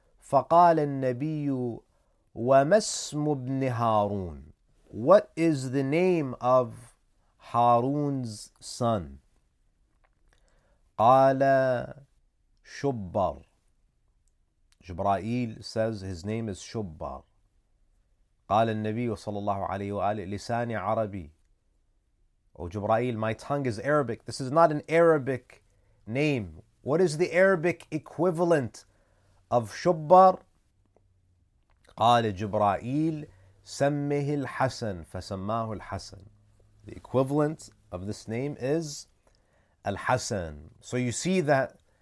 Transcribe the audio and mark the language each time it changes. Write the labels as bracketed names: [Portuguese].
[Arabic] فَقَالَ النَّبِيُّ وَمَا اسْمُ ابْنِ هَارُونَ. [English] What is the name of Harun's son? [Arabic] قَالَ شُبَّرْ. [English] Jibreel says his name is Shubbar. [Arabic] قال النبي صلى الله عليه وآله لساني عربي. [English] O Jibreel, my tongue is Arabic. This is not an Arabic name. What is the Arabic equivalent of Shubbar? [Arabic] قال جبرائيل سمه الحسن فسماه الحسن. [English] The equivalent of this name is الحسن. So you see that